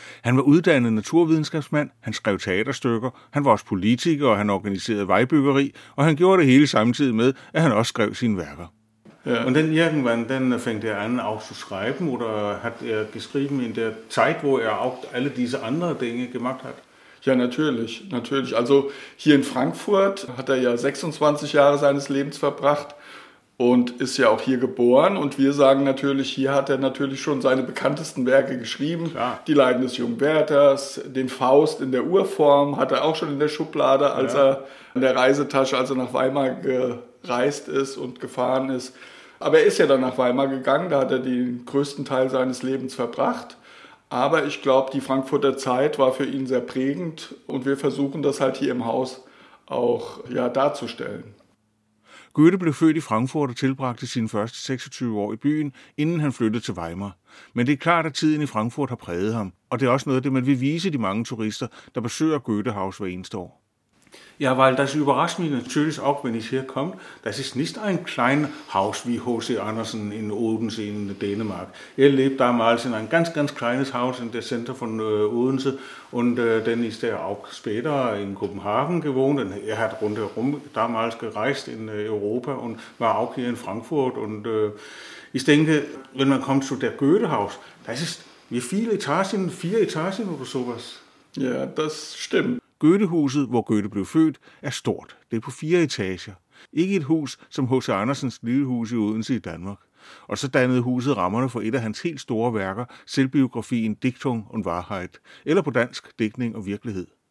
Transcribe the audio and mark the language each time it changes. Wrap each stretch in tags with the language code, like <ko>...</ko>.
<da>Han var uddannet naturvidenskabsmand, han skrev teaterstykker, han var også politiker, og han organiserede vejbyggeri, og han gjorde det hele samtidig med, at han også skrev sine værker. Ja.</da> <de>Und dann irgendwann, dann fängt er an auch zu schreiben, oder hat er geschrieben in der Zeit, wo er auch alle diese anderen Dinge gemacht hat? Ja, natürlich, natürlich. Also hier in Frankfurt hat er ja 26 Jahre seines Lebens verbracht und ist ja auch hier geboren. Und wir sagen natürlich, hier hat er natürlich schon seine bekanntesten Werke geschrieben. Klar. Die Leiden des jungen Werthers, den Faust in der Urform hat er auch schon in der Schublade, er in der Reisetasche, als er nach Weimar gereist ist und gefahren ist. Aber er ist ja dann nach Weimar gegangen, da hat er den größten Teil seines Lebens verbracht. Aber ich glaube, die Frankfurter Zeit war für ihn sehr prägend und wir versuchen das halt hier im Haus auch ja, darzustellen.</de> <da>Goethe blev født i Frankfurt og tilbragte sine første 26 år i byen, inden han flyttede til Weimar. Men det er klart, at tiden i Frankfurt har præget ham, og det er også noget af det, man vil vise de mange turister, der besøger Goethehaus hver eneste år.</da> <de>Ja, weil das überrascht mich natürlich auch, wenn ich hier komme. Das ist nicht ein kleines Haus wie H.C. Andersen in Odense in Dänemark. Er lebt damals in ein ganz, ganz kleines Haus in der Center von Odense. Und dann ist er auch später in Kopenhagen gewohnt. Und er hat rundherum damals gereist in Europa und war auch hier in Frankfurt. Und ich denke, wenn man kommt zu der Goethehaus, das ist wie viele Etagen, 4 Etagen oder sowas. Ja, das stimmt.</de> <da>Goethehuset, hvor Goethe blev født, er stort. Det er på 4 etager. Ikke et hus som H.C. Andersens lille hus i Odense i Danmark. Og så dannede huset rammerne for et af hans helt store værker, selvbiografien Diktung und Wahrheit, eller på dansk Digtning og Virkelighed.</da>